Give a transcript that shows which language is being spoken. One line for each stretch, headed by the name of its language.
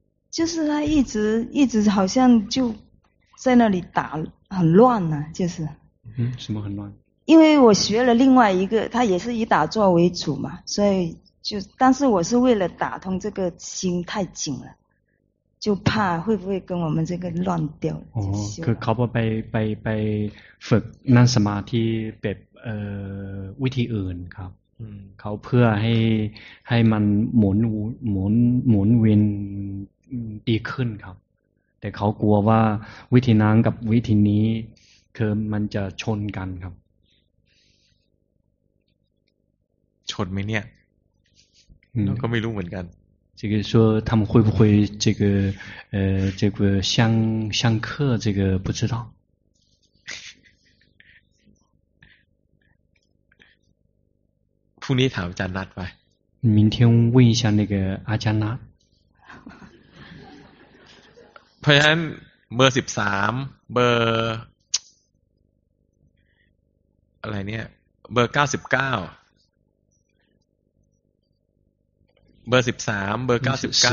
Chinese: 就是他一直好像就在那里打很乱呢、啊、就是什么很乱因为我学了另外一个他也是以打坐为主嘛所以就但是我是为了打通这个心太紧了就怕会不会跟我们这个乱掉
Thai: 哦คือเขาไปฝึกนั่งสมาธิแบบวิธีอื่นครับเขาเพื่อให้มันหมุนเวียนดีขึ้นครับแต่เขากลัวว่าวิธีนั้นกับวิธีนี้คือมันจะชนกันครับ ชนไหมเนี่ยก็ไม่รู้เหมือนกัน
Chinese: 这个说他们会不会这个相克这个不知道。
Thai: พรุ่งนี้ถามอาจารย์นัดไป。
Chinese: 明天问一下那个阿加纳。
Thai: เพราะฉะนั้นเบอร์13เบอร์อะไรเนี่ยเบอร์99เบอร์13เบอร์99